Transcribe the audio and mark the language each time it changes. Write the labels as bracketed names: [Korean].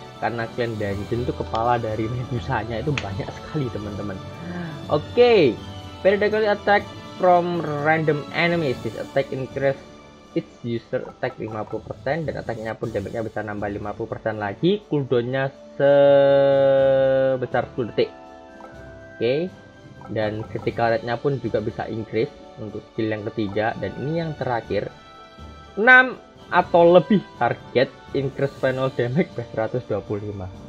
[Indonesian] Karena clan dungeon itu kepala dari medusanya itu banyak sekali teman-teman. [English] Oke. Periodical attack from random enemies. This attack increase its user attack 50%. [Indonesian] Dan attack-nya pun damage-nya bisa nambah 50% lagi. Cooldown-nya sebesar 10 detik. Oke. Dan critical rate-nya pun juga bisa increase untuk skill yang ketiga. Dan ini yang terakhir, 6 atau lebih [English] target increase final damage by 125.